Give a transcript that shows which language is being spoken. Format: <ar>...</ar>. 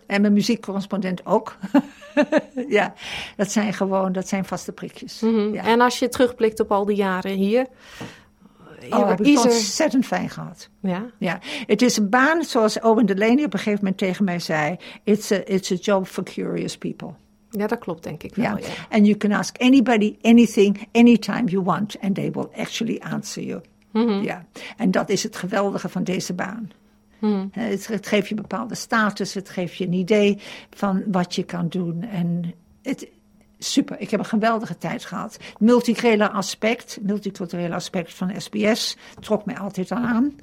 <nl>En mijn muziekcorrespondent ook. Ja, dat zijn vaste prikjes. Mm-hmm. Ja. En als je terugblikt op al die jaren hier... Ik heb het ontzettend fijn gehad. Ja? Ja. Het is een baan, zoals Owen Delaney op een gegeven moment tegen mij zei...</nl> <en>It's a job for curious people.</en> <nl>Ja, dat klopt denk ik wel. Ja.</nl> <en>And you can ask anybody anything, anytime you want... and they will actually answer you. Mm-hmm.</en> <nl>Ja. En dat is het geweldige van deze baan. Mm. Het geeft je een bepaalde status. Het geeft je een idee van wat je kan doen. En het... Super, ik heb een geweldige tijd gehad. Multiculturele aspect van SBS trok mij altijd al aan.</nl>